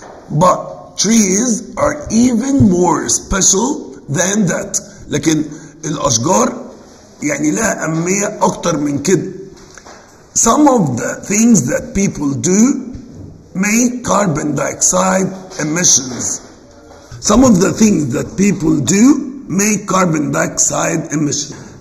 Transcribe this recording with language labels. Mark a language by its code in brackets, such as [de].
[en] But trees are even more special than that. [ar] لكن الأشجار يعني لها أهمية أكتر من كده. [en] Some of the things that people do make carbon dioxide emissions. Some of the things that people do make carbon dioxide emissions.